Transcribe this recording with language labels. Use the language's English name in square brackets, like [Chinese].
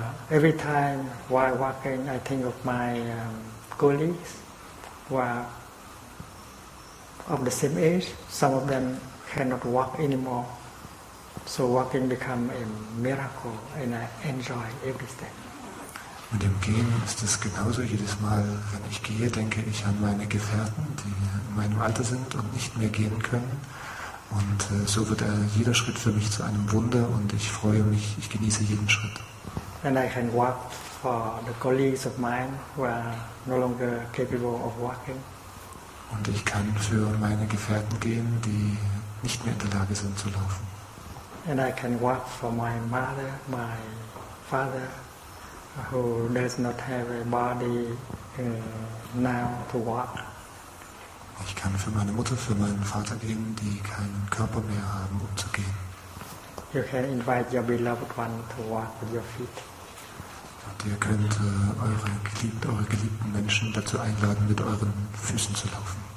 [English] Every time while walking, I think of my colleagues who are of the same age. Some of them cannot walk anymore. So walking becomes a miracle, and I enjoy every step. [German] Mit dem Gehen ist es genauso. Jedes Mal, wenn ich gehe, denke ich an meine Gefährten, die in meinem Alter sind und nicht mehr gehen können. Und so wird jeder Schritt für mich zu einem Wunder, und ich freue mich, ich genieße jeden Schritt. [English] And I can walk for the colleagues of mine who are no longer capable of walking. [German] Und ich kann für meine Gefährten gehen, die nicht mehr in der Lage sind zu laufen. [English] And I can walk for my mother, my father, who does not have a body now to walk. [German] Ich kann für meine Mutter, für meinen Vater gehen, die keinen Körper mehr haben, um zu gehen. [English] You can invite your beloved one to walk with your feet. [German] Und ihr könnt eure geliebten Menschen dazu einladen, mit euren Füßen zu laufen.